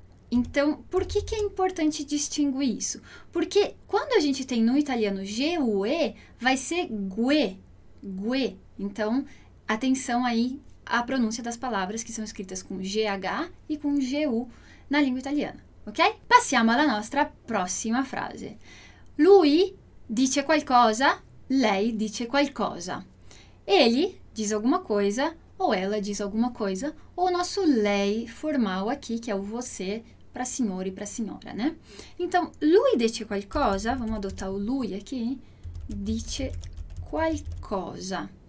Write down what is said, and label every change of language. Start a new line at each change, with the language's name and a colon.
Portuguese: Então, por que que é importante distinguir isso? Porque quando a gente tem no italiano GUE, vai ser GUE, GUE. Então, atenção aí à pronúncia das palavras que são escritas com GH e com GU na língua italiana, ok?
Italian: Passiamo alla nostra prossima frase. Lui dice qualcosa, lei dice qualcosa.
Portuguese: Ele diz alguma coisa, ou ela diz alguma coisa, ou o nosso lei formal aqui, que é o você, para senhor e para senhora, né? Então,
Italian: lui dice qualcosa,
Portuguese: vamos adotar o lui aqui,
Italian: dice qualcosa.